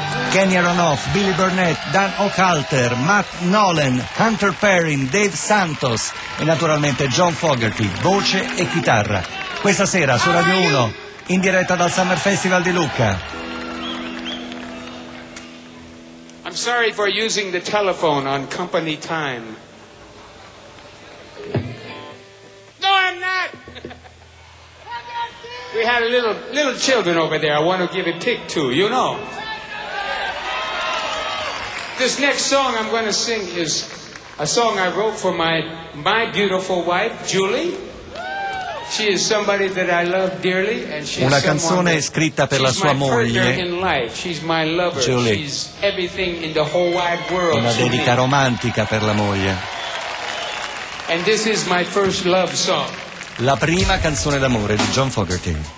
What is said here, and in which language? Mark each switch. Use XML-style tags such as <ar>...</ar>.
<it>Kenny Aronoff, Billy Burnett, Dan O'Halter, Matt Nolan, Hunter Perrin, Dave Santos e naturalmente John Fogerty, voce e chitarra. Questa sera su Radio 1, in diretta dal Summer Festival di Lucca.</it> <en>I'm sorry for using the telephone on company time. No, I'm not! We had a little children over there I want to give a tick to, you know. This next song I'm going to sing is a song I wrote for my beautiful wife, Julie. She is somebody that I love dearly, and she's</en> <it>una canzone scritta per la sua moglie.</it> <en>She's my lover. Julie. She's everything in the whole wide world.</en> <it>Una dedica romantica per la moglie.</it> <en>And this is my first love song.</en> <it>La prima canzone d'amore di John Fogerty.</it>